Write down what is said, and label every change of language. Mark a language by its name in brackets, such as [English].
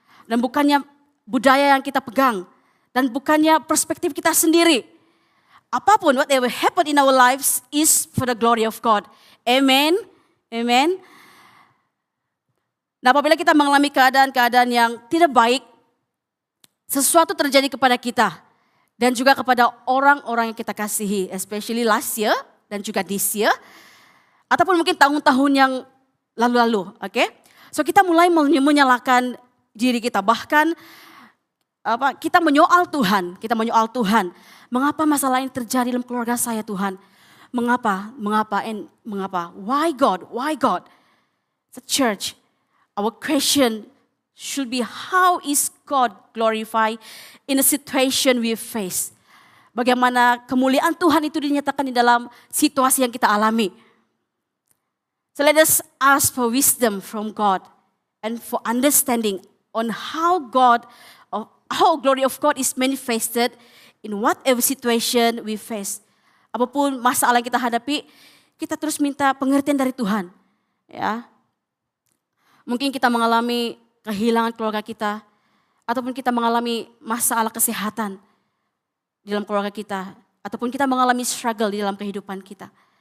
[Malay] Dan bukannya budaya yang kita pegang. Dan bukannya perspektif kita sendiri. [English] Apapun, whatever happened in our lives is for the glory of God. Amen. Amen. [Malay] Nah, apabila kita mengalami keadaan-keadaan yang tidak baik, sesuatu terjadi kepada kita. Dan juga kepada orang-orang yang kita kasihi. [English] Especially last year [Malay] dan juga [English] this year. [Malay] Ataupun mungkin tahun-tahun yang lalu-lalu. Okay? So, kita mulai menyalahkan diri kita. Bahkan, kita menyoal Tuhan. Kita menyoal Tuhan. Mengapa masalah ini terjadi dalam keluarga saya, Tuhan? Mengapa? Mengapa? [English] And [Malay] mengapa? [English] Why God? Why God? The church, our question should be, how is God glorified in the situation we face? [Malay] Bagaimana kemuliaan Tuhan itu dinyatakan di dalam situasi yang kita alami? [English] So let us ask for wisdom from God and for understanding on how God, how glory of God is manifested in whatever situation we face. [Malay] Apapun masalah yang kita hadapi, kita terus minta pengertian dari Tuhan. Ya. Mungkin kita mengalami kehilangan keluarga kita, ataupun kita mengalami masalah kesehatan di dalam keluarga kita, ataupun kita mengalami struggle di dalam kehidupan kita.